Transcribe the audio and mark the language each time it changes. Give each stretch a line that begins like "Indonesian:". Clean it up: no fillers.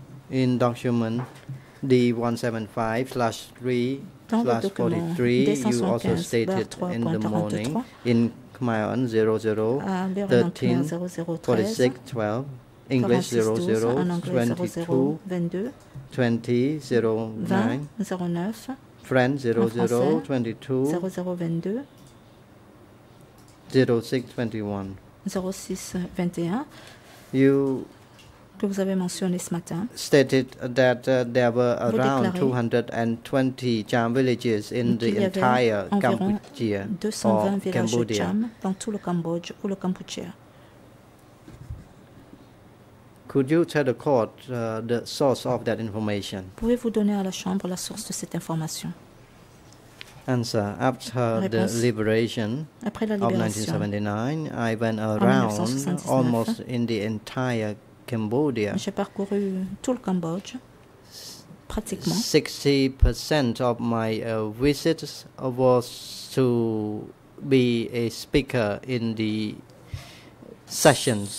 English: In document D175/3/43, you also stated in the morning in Khmer 00/13/46/12, English 00/22/20/09, French 00/22/06/21. You
French: que vous avez mentionné ce matin.
English: Stated that there were around 220 Cham villages in the entire Cambodia.
French: 220 villages Cham dans tout le Cambodge ou le Cambodia.
English: Could you tell the court the source of that information?
French: Pouvez-vous donner à la chambre la source de cette information?
English: Answer. After the liberation of 1979, I went around almost in the entire Cambodia.
French: J'ai parcouru tout le Cambodge, pratiquement.
English: 60% of my visits was to be a speaker in the sessions.